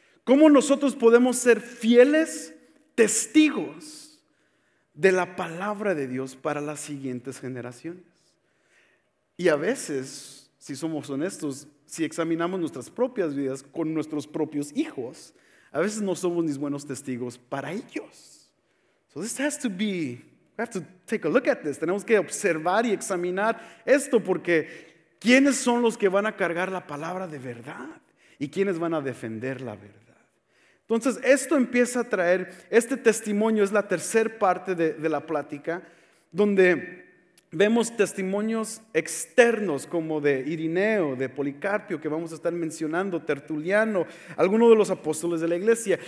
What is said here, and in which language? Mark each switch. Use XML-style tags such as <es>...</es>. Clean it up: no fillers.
<es>¿Cómo nosotros podemos ser fieles testigos de la palabra de Dios para las siguientes generaciones? Y a veces, si somos honestos, si examinamos nuestras propias vidas con nuestros propios hijos, a veces no somos ni buenos testigos para ellos.</es> <en>So this has to be, we have to take a look at this.</en> <es>Tenemos que observar y examinar esto porque ¿quiénes son los que van a cargar la palabra de verdad? ¿Y quiénes van a defender la verdad? Entonces, esto empieza a traer, este testimonio es la tercera parte de la plática, donde vemos testimonios externos como de Irineo, de Policarpio, que vamos a estar mencionando, Tertuliano, algunos de los apóstoles de la iglesia.</es>